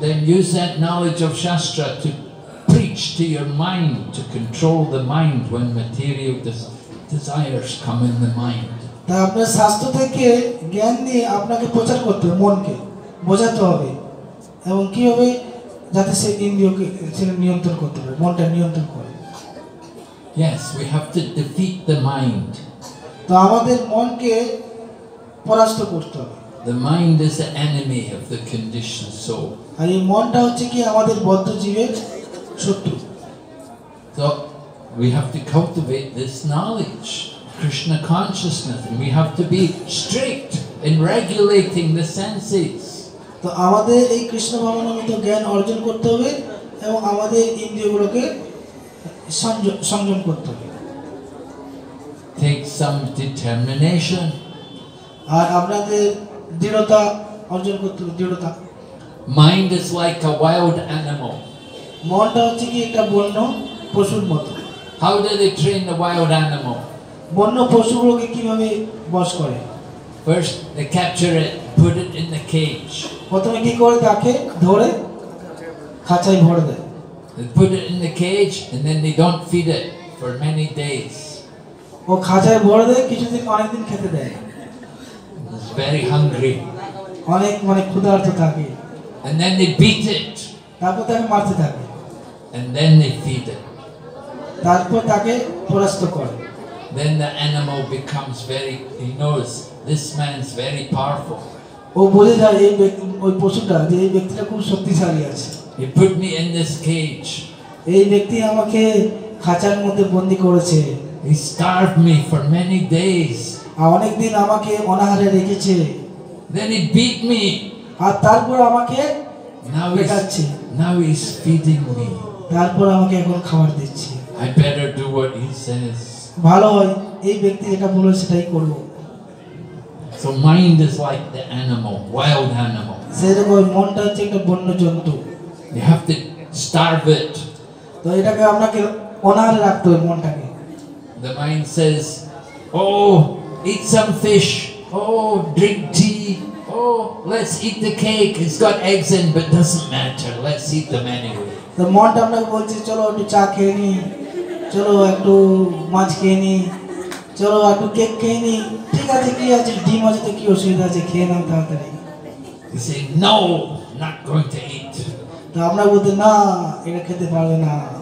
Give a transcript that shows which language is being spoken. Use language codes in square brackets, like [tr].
[en] Then use that knowledge of shastra to preach to your mind, to control the mind when material desires come in the mind. [bn] তা আপনার শাস্ত্র থেকে জ্ঞান নিয়ে আপনাকে প্রচার করতে হবে, মনকে বোঝাতে হবে এবং কিভাবে যাতে সে ইন্দ্রিয়কে সেটা নিয়ন্ত্রণ করতে পারে, মনটা নিয়ন্ত্রণ করে। [en] Yes, we have to defeat the mind. [bn] তো আমাদের মনকে পরাস্ত করতে হবে। [en] The mind is the enemy of the conditioned soul. [bn] আর এই মনটা হচ্ছে কি আমাদের বদ্ধ জীবের শত্রু। [en] So, we have to cultivate this knowledge, Krishna consciousness, and we have to be strict in regulating the senses. [bn] তো আমাদের এই কৃষ্ণ ভাবনামৃত জ্ঞান অর্জন করতে হবে এবং আমাদের ইন্দ্রিয়গুলোকে সংযম করতে হবে। [en] Take some determination. [bn] আর আপনাদের দৃঢ়তা অর্জন করতে হবে, দৃঢ়তা। [en] Mind is like a wild animal. [bn] মনটা হচ্ছে কি একটা বন্য পশুর মতো। [en] How do they train the wild animal? [bn] বন্য পশুগুলোকে কিভাবে বশ করে? [en] First, they capture it, put it in the cage. [bn] প্রথমে কি করে তাকে ধরে খাঁচায় ভরে দেয়। [en] They put it in the cage and then they don't feed it for many days. [bn] ও খাঁচায় ভরে দেয়, কিছুদিন অনেকদিন খেতে দেয়। [en] It's very hungry. [bn] অনেক অনেক ক্ষুধার্ত থাকে। [en] And then they beat it. [bn] তারপর তাকে মারতে থাকে। [en] And then they feed it. [bn] তারপর তাকে পরাস্ত করে। [en] Then the animal becomes very, he knows, this man is very powerful. [bn] ও বলে যায় এই ব্যক্তি, ওই পশুটা যে এই ব্যক্তিটা খুব শক্তিশালী আছে। [en] He put me in this cage. [bn] এই ব্যক্তি আমাকে খাঁচার মধ্যে বন্দী করেছে। [en] He starved me for many days. [bn] অনেক দিন আমাকে অনাহারে রেখেছে। [en] Then he beat me. [bn] আর তারপর আমাকে পেটাচ্ছে। [en] Now he is feeding me. [bn] তারপর আমাকে এখন খাবার দিচ্ছে। [en] I better do what he says. [bn] ভালো হয় এই ব্যক্তি যেটা বলবে সেটাই করবো। [en] So mind is like the animal, wild animal. [bn] সেরকম মনটা হচ্ছে একটা বন্য জন্তু। [en] You have to starve it. [bn] তো এটাকে আপনাকে অনাহারে রাখতে হবে মনটাকে। [en] The mind says, oh, eat some fish, oh, drink tea, oh, let's eat the cake, it's got eggs in, but doesn't matter, let's eat them anyway. [bn] তো মনটা আপনাকে বলছে চলো একটু চা খেয়ে নি, চলো একটু মাছ খেয়ে নি, চলো একটু কেক খেয়ে নি, ঠিক আছে কি আছে ডিম আছে তো কি অসুবিধা আছে খেয়ে নাও তাড়াতাড়ি। [en] He said, no, not going to eat. [bn] তো আমরা বলতে না এটা খেতে পারবে না।